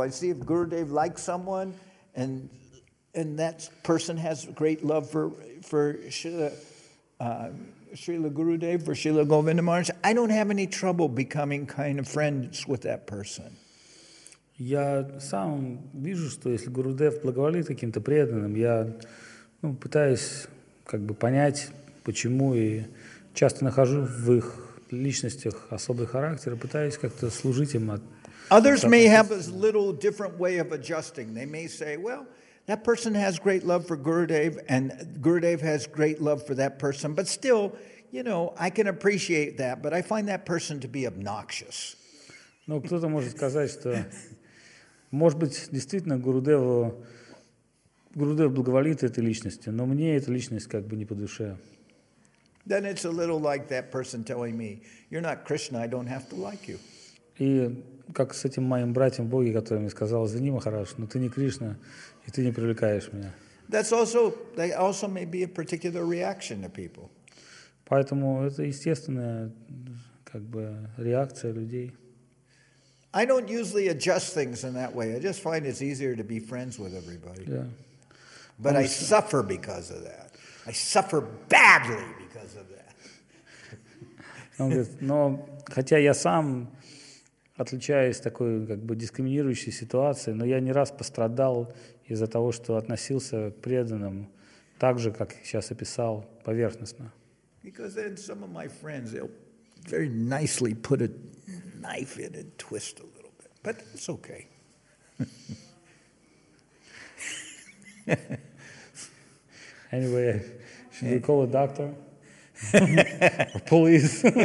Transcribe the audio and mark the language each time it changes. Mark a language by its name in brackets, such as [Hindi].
[English] I see if Gurudev likes someone, and that person has great love for Srila Gurudev, for Srila Govinda Maharaj, I don't have any trouble becoming kind of friends with that person. [Russian] Я сам вижу, что если Гурудев благоволит каким-то преданным, я, ну, пытаюсь как бы понять, почему, и часто нахожу в их личностях особый характер и пытаюсь как-то служить им. [English] Others may have a little different way of adjusting. They may say, well, that person has great love for Gurudev, and Gurudev has great love for that person, but still, you know, I can appreciate that, but I find that person to be obnoxious. [Russian] Ну, кто-то может сказать, что, может быть, действительно, Гурудев благоволит этой личности, но мне эта личность как бы не по душе. [English] Then it's a little like that person telling me, you're not Krishna, I don't have to like you. [Russian] И как с этим моим братьем Боги, который мне сказал, извини, Махарадж, но ты не Кришна, и ты не привлекаешь меня. [English] That's also, that also may be a particular reaction to people. [Russian] Поэтому это естественная как бы реакция людей. [English] I don't usually adjust things in that way. I just find it's easier to be friends with everybody. Yeah. But I suffer because of that. I suffer badly because of that. [Russian] Он говорит, но хотя я сам отличаюсь такой как бы дискриминирующей ситуацией, но я не раз пострадал из-за того, что относился к преданным так же, как сейчас описал, поверхностно. [English] Because then some of my friends, they'll very nicely put it knife it and twist a little bit, but it's okay. Anyway, should we call a doctor? Police?